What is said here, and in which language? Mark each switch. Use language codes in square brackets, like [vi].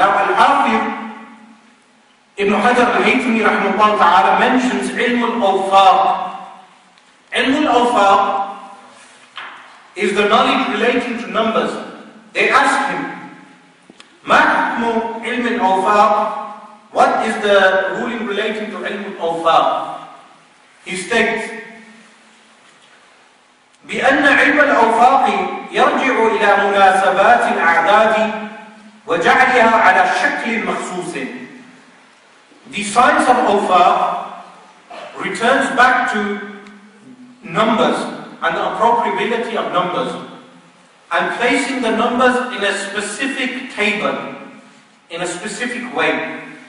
[en] Now, Al-Hafir Ibn Hajar Al-Haytami rahimahullah ta'ala mentions Ilmul Awfaq. Ilmul Awfaq is the knowledge relating to numbers. They ask him, [ar] Ma hukmu Ilmul Awfaq? [en] What is the ruling relating to Ilmul Awfaq? He states, [ar] بِأَنَّ عِلْمَ الْأَوْفَاقِ يَرْجِعُ إِلَى مُنَاسَبَاتِ الْأَعْدَادِ وَجَعْلِهَا عَلَى شَكْلٍ مَخْصُوصٍ. [en] The science of awfaq returns back to numbers and the appropriability of numbers and placing the numbers in a specific table, in a specific way.